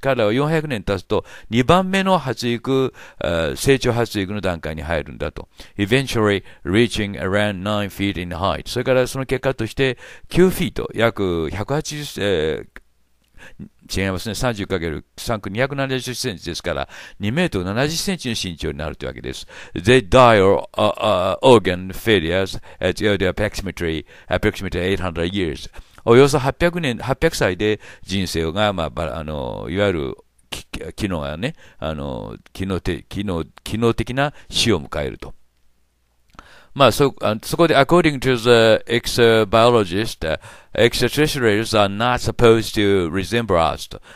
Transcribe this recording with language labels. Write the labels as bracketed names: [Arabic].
[Japanese] 彼らは400年経つと2番目の発育、成長発育の段階に入るんだと。 [English] Eventually reaching around 9 feet in height. [Japanese] それからその結果として9フィート、約180、違いますね、30×3×270cm ですから 2m70cm の身長になるというわけです。 [English] They die of organ failures at their approximately 800 years. [Japanese] およそ800年、800歳で人生が、まあ、あのいわゆる機能がね、あの機能的な死を迎えると。 [English] まあ、そこで、 according to the exobiologist, extraterrestrials are not supposed to resemble us.